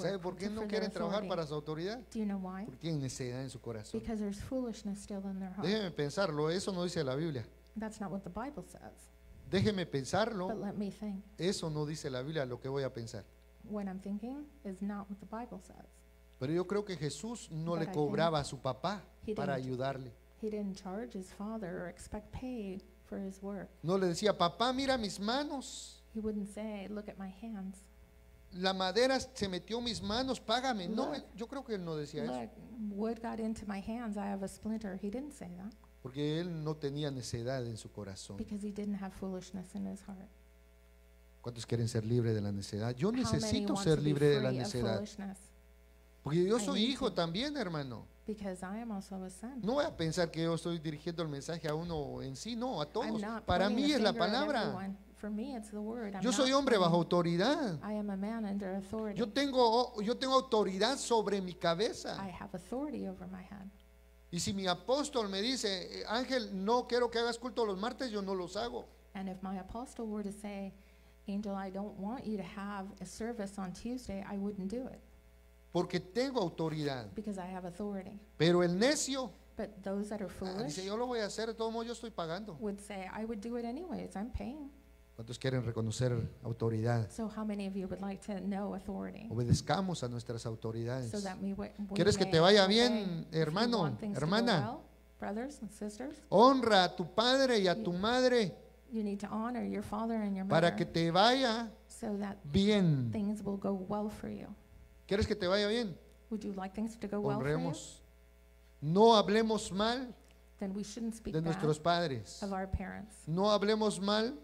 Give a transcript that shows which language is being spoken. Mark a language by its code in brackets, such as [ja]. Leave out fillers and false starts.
[es] ¿Sabe por qué no quieren trabajar para su autoridad? [en] Do you know why? [es] Porque tienen necedad en su corazón. [en] Because there's foolishness still in their heart. [es] Déjeme pensarlo, eso no dice la Biblia. [en] That's not what the Bible says. [es] Déjeme pensarlo. [en] But let me think. [es] Eso no dice la Biblia lo que voy a pensar. [en] What I'm thinking is not what the Bible says. [es] Pero yo creo que Jesús no le cobraba a su papá para ayudarle. [en] He didn't charge his father or expect pay for his work. [es] No le decía, papá, mira mis manos. [en] He wouldn't say, look at my hands. [es] La madera se metió en mis manos, págame. No, yo creo que él no decía eso. [en] Look, wood got into my hands, I have a splinter. He didn't say that. [es] Porque él no tenía necedad en su corazón. [en] Because he didn't have foolishness in his heart. [es] ¿Cuántos quieren ser libre de la necedad? Yo necesito ser libre de la necedad. Porque yo soy hijo también, hermano. [en] Because I am also a son. [es] No voy a pensar que yo estoy dirigiendo el mensaje a uno en sí, no, a todos. Para mí es la palabra. [en] For me, it's the word. [es] Yo soy hombre bajo autoridad. [en] I am a man under authority. [es] Yo tengo autoridad sobre mi cabeza. [en] I have authority over my head. [es] Y si mi apóstol me dice, Ángel, no quiero que hagas culto los martes, yo no los hago. [en] And if my apostle were to say, Angel, I don't want you to have a service on Tuesday, I wouldn't do it. [es] Porque tengo autoridad. [en] Because I have authority. [es] Pero el necio, [en] but those that are foolish, [es] dice, yo lo voy a hacer, de todo modo yo estoy pagando. [en] Would say, I would do it anyways, I'm paying. [es] ¿Cuántos quieren reconocer autoridad? [en] So how many of you would like to know authority? [es] Obedezcamos a nuestras autoridades. [en] So that we [es] ¿Quieres que te vaya bien, hermano, hermana? [en] Well, brothers and sisters, [es] honra a tu padre y a tu madre. [en] You need to honor your father and your mother. [es] Para que te vaya [en] so that [es] bien. [en] Things will go well for you. [es] ¿Quieres que te vaya bien? [en] Would you like things to go [es] Honremos. [en] Well for you? [es] No hablemos mal. [en] Then we shouldn't speak [es] de nuestros [en] bad [es] padres. [en] Of our parents. [es] No hablemos mal